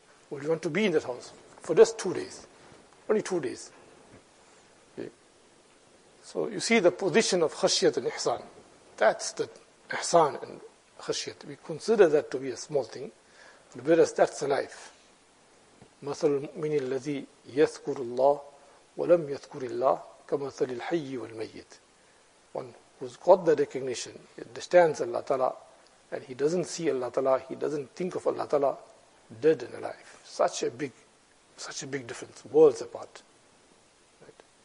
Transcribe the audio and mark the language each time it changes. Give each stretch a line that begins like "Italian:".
English: Will you want to be in that house for just 2 days? Only 2 days. Okay. So you see the position of khashyat and ihsan. That's the ihsan and khashyat. We consider that to be a small thing, whereas that's life.
Arabic: مثل المؤمن الذي يذكر الله ولم يذكر الله كمثل الحي والميت.
English: One who's got the recognition, understands Allah Ta'ala, and he doesn't see Allah Ta'ala, he doesn't think of Allah Ta'ala, dead and alive. Such a big difference, worlds apart. Right.